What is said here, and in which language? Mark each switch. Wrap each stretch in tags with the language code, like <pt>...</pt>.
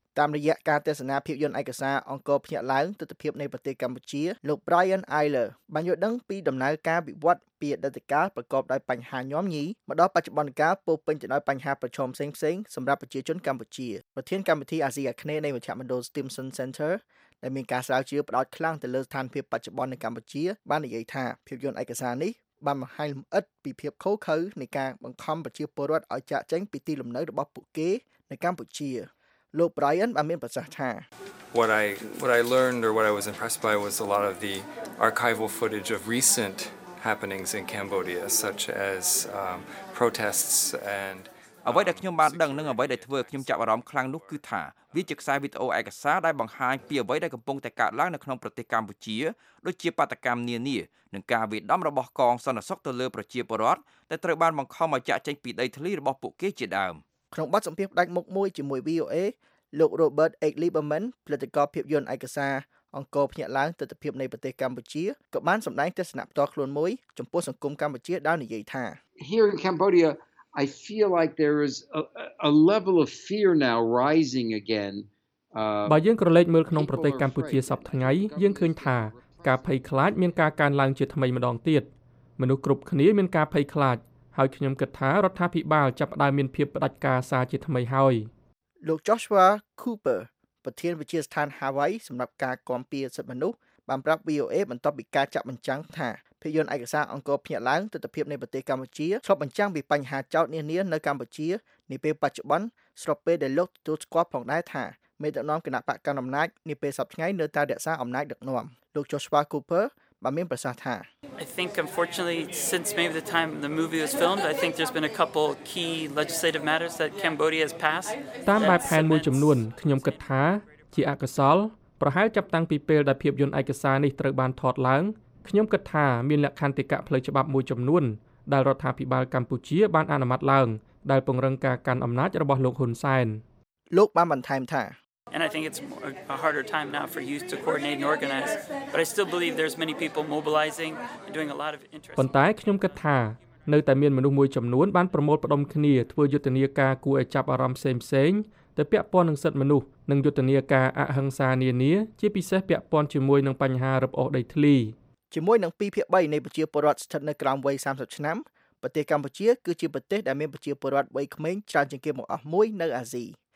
<km>តាមរយៈការទស្សនាភាពយន្តឯកសារអង្គរភ្នាក់ឡើងទស្សនភាពនៃប្រទេសកម្ពុជាលោក Brian Eiler បានយល់ដឹងពីដំណើរការវិវត្តពីអតីតកាលប្រកបដោយបញ្ហាញោមញីមកដល់បច្ចុប្បន្នកាលពោរពេញទៅដោយបញ្ហាប្រឈមផ្សេងៗសម្រាប់ប្រជាជនកម្ពុជាប្រធានគណៈទីអាស៊ីអាគ្នេយ៍នៃមជ្ឈមណ្ឌល Stimson Center ដែលមានការស្រាវជ្រាវផ្ដោតខ្លាំងទៅលើស្ថានភាពបច្ចុប្បន្ននៅកម្ពុជាបាននិយាយថាភាពយន្តឯកសារនេះបានបង្ហាញលម្អិតពីភាពខូចខើនៃការបង្ខំប្រជាពលរដ្ឋឲ្យចាកចេញពីទីលំនៅរបស់ពួកគេនៅកម្ពុជាលោក Brian បានមានប្រសាសន៍ថា</km> <en>What I learned or what I was impressed by was a lot of the archival footage of recent happenings in Cambodia such as protests and</en> <km>អ្វីដែលខ្ញុំបានដឹងនឹងអ្វីដែលធ្វើខ្ញុំចាប់អារម្មណ៍ខ្លាំងនោះគឺថាវាជាខ្សែវីដេអូឯកសារដែលបង្ហាញពីអ្វីដែលកំពុងតែកើតឡើងនៅក្នុងប្រទេសកម្ពុជាដូចជាបាតកម្មនានានិងការវាយដំរបស់កងសន្តិសុខទៅលើប្រជាពលរដ្ឋដែលត្រូវបានបង្ខំឲ្យចាកចេញពីដីធ្លីរបស់ពួកគេជាដើម ក្នុងបទសម្ភាសន៍ផ្ដាច់មុខមួយជាមួយ VOA លោក Robert H. Lieberman ផលិតករភាពយន្តឯកសារអង្គរភ្នាក់ឡើងទស្សនភាពនៃប្រទេសកម្ពុជាក៏បានសម្ដែងទស្សនៈផ្ទាល់ខ្លួនមួយចំពោះសង្គមកម្ពុជាដែលនិយាយថា</km> <en>Here in Cambodia I feel like there is a level of fear now rising again</en> <km>បើយើងក្រឡេកមើលក្នុងប្រទេសកម្ពុជាសប្ដងៃយើងឃើញថាការភ័យខ្លាចមានការកើនឡើងជាថ្មីម្ដងទៀតមនុស្សគ្រប់គ្នាមានការភ័យខ្លាចហើយខ្ញុំគិតថារដ្ឋាភិបាលចាប់ផ្ដើមមានភាពផ្ដាច់ការសារជាថ្មីហើយ លោក Joshua Cooper ប្រធានវិជាស្ថាន Hawaii សម្រាប់ការគាំពារសិទ្ធិមនុស្សបានប្រាប់ VOA បន្ទាប់ពីការចាក់បញ្ចាំងថាភាពយន្តឯកសារអង្គរភ្នាក់ឡើងទស្សនភាពនៃប្រទេសកម្ពុជាឆ្លុះបញ្ចាំងពីបញ្ហាចោទនានានៅកម្ពុជានាពេលបច្ចុប្បន្នស្របពេលដែលលោកទទួលស្គាល់ផងដែរថាមេដឹកនាំគណបកកណ្ដាលអំណាចនាពេលសប្ដាហ៍ថ្ងៃនៅតែរក្សាអំណាចដឹកនាំលោក Joshua Cooper បានមានប្រសាសន៍ថា</km> <en>I think unfortunately since maybe the time the movie was filmed I think there's been a couple key legislative matters that Cambodia has passed</en> <km>តាមបែបផែនមួយចំនួនខ្ញុំគិតថាជាអកុសលប្រហែលចាប់តាំងពីពេលដែលភាពយន្តឯកសារនេះត្រូវបានថតឡើងខ្ញុំគិតថាមានលក្ខន្តិកៈផ្លូវច្បាប់មួយចំនួនដែលរដ្ឋាភិបាលកម្ពុជាបានអនុម័តឡើងដែលពង្រឹងការកាន់អំណាចរបស់លោកហ៊ុនសែន លោកបានបន្ថែមថា</km> <en>And I think it's a harder time now for youth to coordinate and organize but I still believe there's many people mobilizing and doing a lot of interest</en> <km>ប៉ុន្តែខ្ញុំគិតថានៅតែមានមនុស្សមួយចំនួនបានប្រមូលផ្តុំគ្នាធ្វើយុទ្ធនាការគួរឲ្យចាប់អារម្មណ៍ផ្សេងៗទៅពាក់ព័ន្ធនឹងសិទ្ធិមនុស្សនិងយុទ្ធនាការអហិង្សានានាជាពិសេសពាក់ព័ន្ធជាមួយនឹងបញ្ហារឹបអូសដីធ្លី ជាមួយនឹង 2/3 នៃប្រជាពលរដ្ឋស្ថិតនៅក្រោមវ័យ30ឆ្នាំប្រទេសកម្ពុជាគឺជាប្រទេសដែលមានប្រជាពលរដ្ឋវ័យក្មេងច្រើនជាងគេបង្អស់មួយនៅអាស៊ី</km>